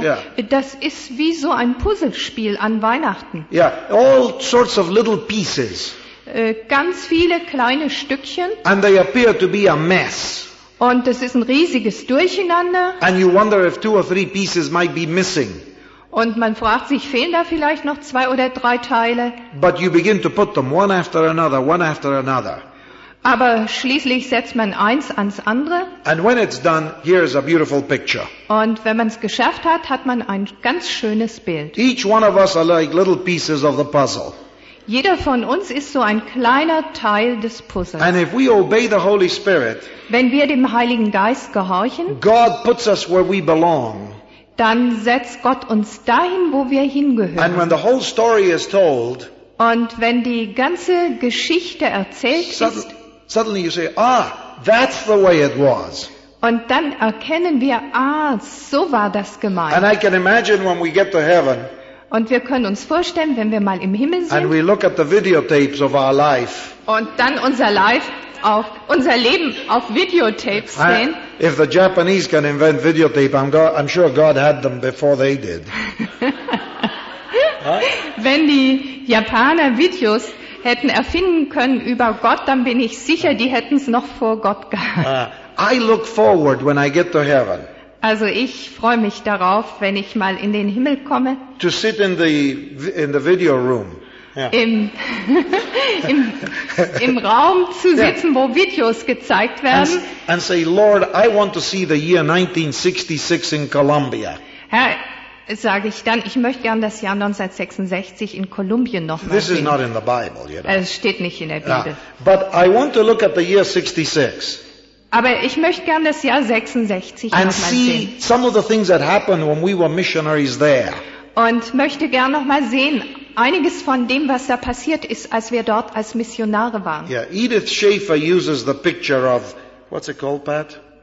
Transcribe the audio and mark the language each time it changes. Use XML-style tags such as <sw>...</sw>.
<de>Ja. Das ist wie so ein Puzzlespiel an Weihnachten.</de> <en>Yeah, all sorts of little pieces.</en> <de>Ganz viele kleine Stückchen.</de> <en>And they appear to be a mess.</en> <de>Und es ist ein riesiges Durcheinander.</de> <en>And you wonder if two or three pieces might be missing.</en> <de>Und man fragt sich, fehlen da vielleicht noch zwei oder drei Teile?</de> <en>But you begin to put them one after another, one after another.</en> <de>Aber schließlich setzt man eins ans andere.</de> <en>And when it's done, here is a beautiful picture.</en> <de>Und wenn man es geschafft hat, hat man ein ganz schönes Bild.</de> <en>Each one of us are like little pieces of the puzzle.</en> <de>Jeder von uns ist so ein kleiner Teil des Puzzles.</de> <en>And if we obey the Holy Spirit,</en> <de>wenn wir dem Heiligen Geist gehorchen,</de> <en>God puts us where we belong.</en> <de>Dann setzt Gott uns dahin, wo wir hingehören.</de> <en>And when the whole story is told,</en> <de>und wenn die ganze Geschichte erzählt ist,</de> <en>suddenly you say, ah, that's the way it was.</en> <de>Und dann erkennen wir, ah, so war das gemeint.</de> <en>And I can imagine when we get to heaven,</en> <de>und wir können uns vorstellen, wenn wir mal im Himmel sind,</de> <en>and we look at the videotapes of our life,</en> <de>und dann unser Leben auf Videotapes sehen.</de> <en>If the Japanese can invent videotape, I'm sure God had them before they did.</en> <de>Wenn die Japaner Videos hätten erfinden können über Gott, dann bin ich sicher, die hätten es noch vor Gott gehabt.</de> <en>I look forward when I get to heaven.</en> <de>Also ich freue mich darauf, wenn ich mal in den Himmel komme.</de> <en>To sit in the video room. Yeah.</en> <de>Im Raum zu sitzen, wo Videos gezeigt werden.</de> <en>And say, Lord, I want to see the year 1966 in Colombia.</en> <de>Herr, sage ich dann, ich möchte gern das Jahr 1966 in Kolumbien noch mal</de> <en>this</en> <de>sehen.</de> <en>Is not in the Bible, you know.</en> <de>Es steht nicht in der Bibel. Yeah.</de> <en>But I want to look at the year 66.</en> <de>Aber ich möchte gern das Jahr 66</de> <en>and</en> <de>noch mal</de> <en>see</en> <de>sehen.</de> <en>Some of the things that happened when we were missionaries there.</en> <de>Und möchte gern noch mal sehen einiges von dem, was da passiert ist, als wir dort als Missionare waren.</de> <en>Yeah, Edith Schaefer uses the picture of what's it called, Pat?</en>